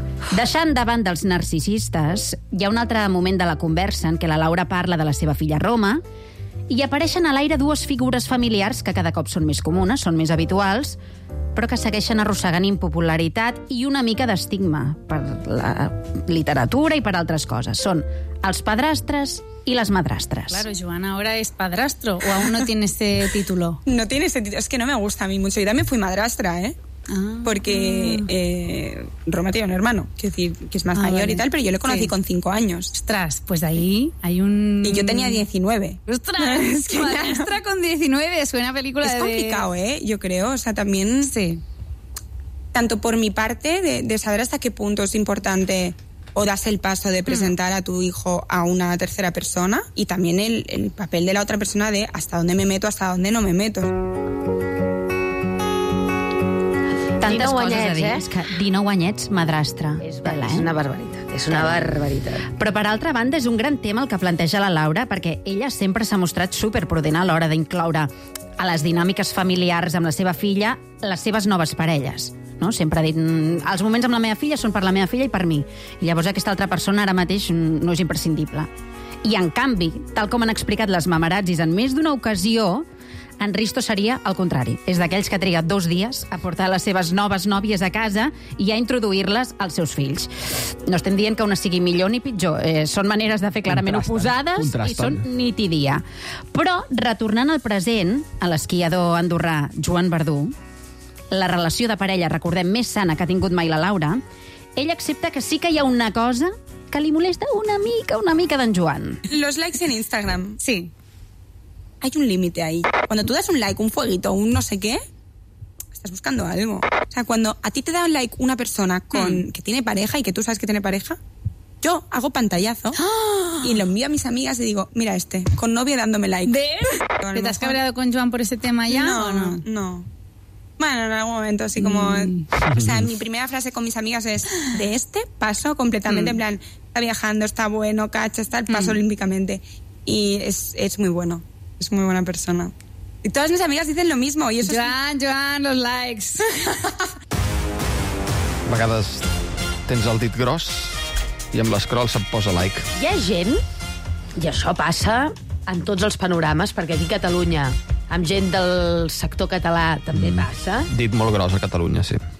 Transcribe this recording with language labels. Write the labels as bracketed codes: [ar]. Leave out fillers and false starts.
[ca] Deixant de banda els narcisistes, hi ha un altre moment de la conversa en què la Laura parla de la seva filla Roma i apareixen a l'aire dues figures familiars que cada cop són més comunes, són més habituals, però que segueixen arrossegant impopularitat i una mica d'estigma per la literatura i per altres coses. Són els padrastres i les madrastres. [es] Claro, Joan, ahora es padrastro o aún no tiene ese título. No tiene ese título. Es que no me gusta a mí mucho. Yo también fui madrastra, ¿eh? Porque Roma tiene un hermano, quiero decir, que es más mayor y tal, pero yo lo conocí con 5 años. Ostras, pues ahí hay un... Y yo tenía 19. Ostras, es que madrastra claro. Con 19, suena a película es de... Es complicado, yo creo, o sea, también... Sí. Tanto por mi parte, de saber hasta qué punto es importante o das el paso de presentar a tu hijo a una tercera persona y también el papel de la otra persona de hasta dónde me meto, hasta dónde no me meto. [ca] Tantes coses anyets, a dir. És que 19 anyets, madrastra. És una barbaritat. És una barbaritat. Però, per altra banda, és un gran tema el que planteja la Laura, perquè ella sempre s'ha mostrat superprudent a l'hora d'incloure a les dinàmiques familiars amb la seva filla les seves noves parelles. No? Sempre ha dit, els moments amb la meva filla són per la meva filla i per mi. I llavors aquesta altra persona ara mateix no és imprescindible. I, en canvi, tal com han explicat les mamarazzis en més d'una ocasió, en Risto seria el contrari. És d'aquells que ha trigat 2 dies a portar les seves noves nòvies a casa i a introduir-les als seus fills. No estem dient que una sigui millor ni pitjor. Són maneres de fer clarament oposades i són nit i dia. Però, retornant al present, a l'esquiador andorrà Joan Verdú, la relació de parella, recordem, més sana que ha tingut mai la Laura, ell accepta que sí que hi ha una cosa que li molesta una mica d'en Joan. [es] Los likes en Instagram. Sí. Hay un límite ahí. Cuando tú das un like, un fueguito, un no sé qué, estás buscando algo. O sea, cuando a ti te da un like una persona con que tiene pareja y que tú sabes que tiene pareja, yo hago pantallazo y lo envío a mis amigas y digo, mira este, con novia dándome like. ¿Ves? ¿Te has cabreado con Joan por ese tema ya? No. Bueno, en algún momento, así como... O sea, mi primera frase con mis amigas es, de este paso completamente, en plan, está viajando, está bueno, cacha, está el paso olímpicamente. Y es muy bueno. Es muy buena persona. Y todas mis amigas dicen lo mismo. Y eso Joan, es... Joan, los likes. [ca] A vegades tens el dit gros i amb l'escroll se't posa like. Hi ha gent, i això passa en tots els panorames, perquè aquí a Catalunya, amb gent del sector català, també passa. Dit molt gros a Catalunya, sí.